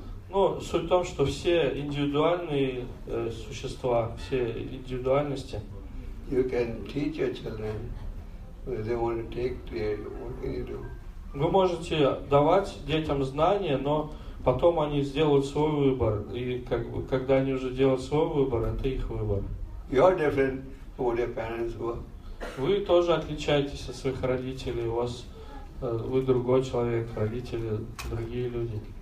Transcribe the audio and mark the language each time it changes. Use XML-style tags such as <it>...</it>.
<ru>Ну, суть в том, что все индивидуальные существа, все индивидуальности.</ru> <en>You can teach your children, but they want to take care. What can you do?</en> <ru>Вы можете давать детям знания, но потом они сделают свой выбор. И как бы, когда они уже делают свой выбор, это их выбор.</ru> <en>You are different from what your parents were.</en> <ru>Вы тоже отличаетесь от своих родителей. У вас вы другой человек, родители другие люди.</ru>